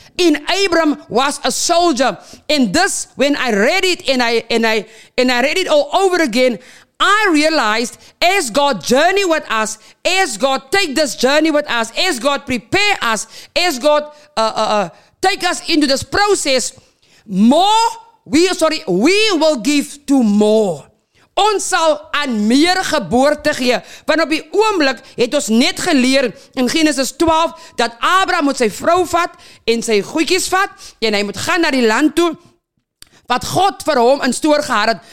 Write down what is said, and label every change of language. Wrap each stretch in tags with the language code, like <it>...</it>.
<en>In Abram was a soldier. And this, when I read it and I read it all over again, I realized as God journey with us, as God take this journey with us, as God prepare us, as God take us into this process, we will give to more.</en> <af>Ons sal aan meer geboorte gee. Want op die oomblik het ons net geleer in Genesis 12 dat Abraham moet sy vrou vat en sy goedjies vat en hy moet gaan na die land toe wat God vir hom in stoor gehad het.</af>